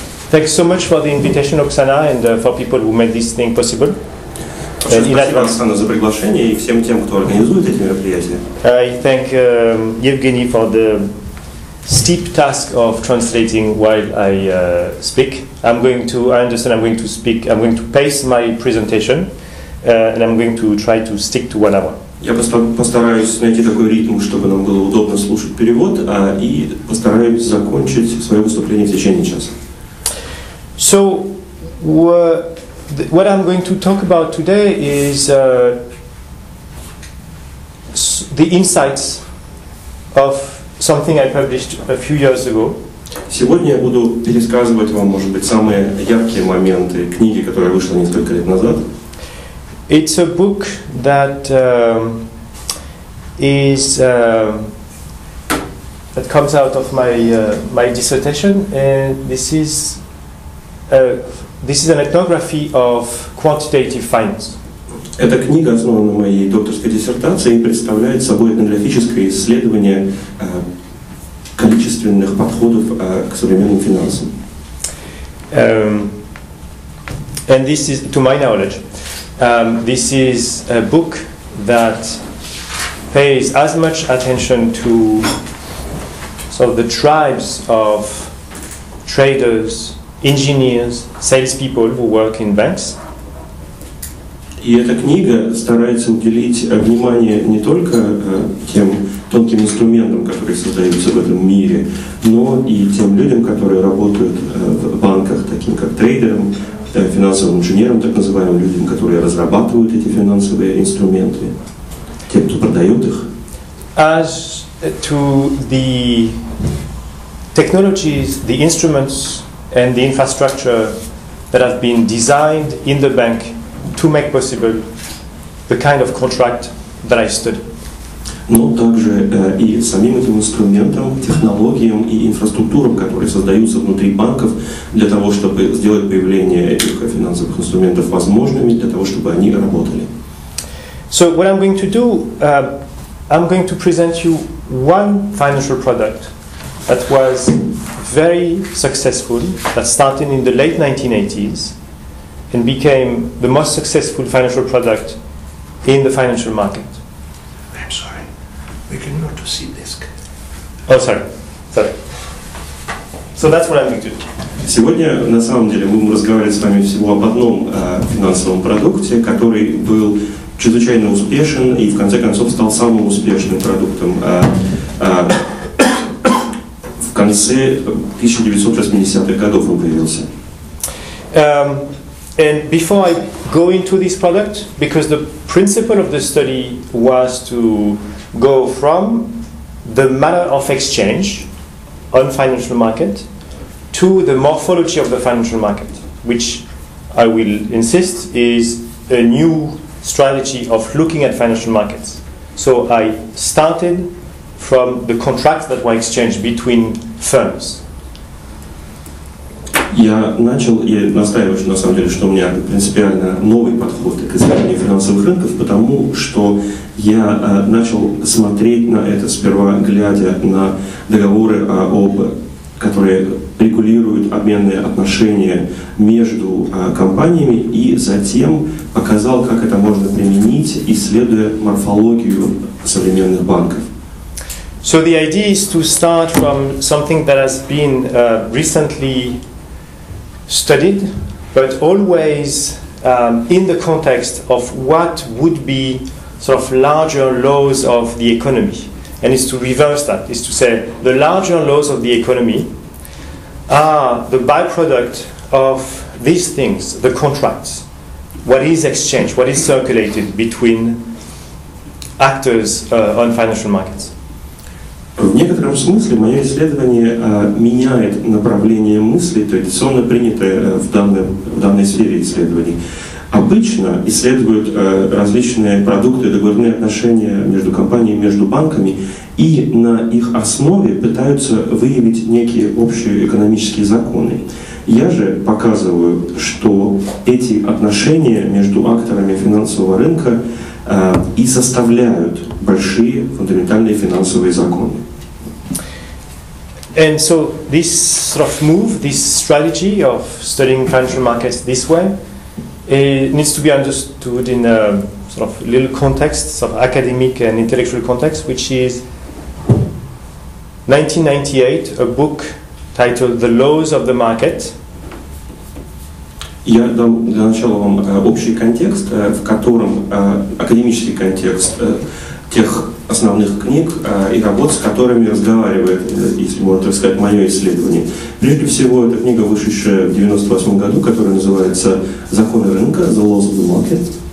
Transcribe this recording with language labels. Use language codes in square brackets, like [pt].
[en] Thanks so much for the invitation, Оксана, and for people who made this thing possible. [ru] Спасибо, Оксана, за приглашение и всем тем, кто организует эти мероприятия. [en] I thank Евгений for the steep task of translating while I speak. I'm going to pace my presentation, and I'm going to try to stick to 1 hour. [ru] Я постараюсь найти такой ритм, чтобы нам было удобно слушать перевод, и постараюсь закончить свое выступление в течение часа. [en] So, what I'm going to talk about today is the insights of something I published a few years ago. [ru] Сегодня я буду пересказывать вам, может быть, самые яркие моменты книги, которая вышла несколько лет назад. [en] It's a book that that comes out of my dissertation, and this is an ethnography of quantitative finds. [ru] Эта книга основана на моей докторской диссертации и представляет собой этнографическое исследование количественных подходов к современным финансам. [en] And this is, to my knowledge, this is a book that pays as much attention to sort of the tribes of traders, engineers, salespeople who work in banks. [ru] И эта книга старается уделить внимание не только тем тонким инструментам, которые создаются в этом мире, но и тем людям, которые работают в банках, таким как трейдерам, финансовым инженерам, так называемым людям, которые разрабатывают эти финансовые инструменты, тем, кто продает их. [en] As to the technologies, the instruments and the infrastructure that have been designed in the bank to make possible the kind of contract that I studied. [ru] Но также и самим этим инструментам, технологиям и инфраструктурам, которые создаются внутри банков для того, чтобы сделать появление этих финансовых инструментов возможными, для того, чтобы они работали. [en] So what I'm going to do, I'm going to present you one financial product that was very successful, that started in the late 1980s and became the most successful financial product in the financial market. We cannot see this. Oh, sorry. So that's what I'm going to do. [ru] Сегодня, на самом деле, мы будем разговаривать с вами всего об одном финансовом продукте, который был чрезвычайно успешен и, в конце концов, стал самым успешным продуктом в конце 1980-х годов он появился. [en] And before I go into this product, because the principle of the study was to go from the manner of exchange on financial market to the morphology of the financial market, which I will insist is a new strategy of looking at financial markets. So I started from the contracts that were exchanged between firms. [ru] Я начал и настаиваю, что на самом деле, что у меня принципиально новый подход к изучению финансовых рынков, потому что я начал смотреть на это сперва, глядя на договоры, которые регулируют обменные отношения между компаниями, и затем показал, как это можно применить, исследуя морфологию современных банков. [en] So the idea is to start from something that has been recently studied, but always in the context of what would be sort of larger laws of the economy. And it's to reverse that, it's to say the larger laws of the economy are the byproduct of these things, the contracts, what is exchanged, what is circulated between actors on financial markets. [ru] В некотором смысле мое исследование меняет направление мысли, традиционно принятое в данной сфере исследований. Обычно исследуют различные продукты, договорные отношения между компаниями, между банками, и на их основе пытаются выявить некие общие экономические законы. Я же показываю, что эти отношения между акторами финансового рынка и составляют большие фундаментальные финансовые законы. [en] And so this sort of move, this strategy of studying financial markets this way, it needs to be understood in a sort of little context, sort of academic and intellectual context, which is 1998, a book titled The Laws of the Market. [ru] Я дам для начала вам общий контекст, в котором академический контекст тех основных книг и работ, с которыми разговаривает, если можно так сказать, мое исследование. Прежде всего, это книга, вышедшая в 1998 году, которая называется «Законы рынка», «The Laws of the Market».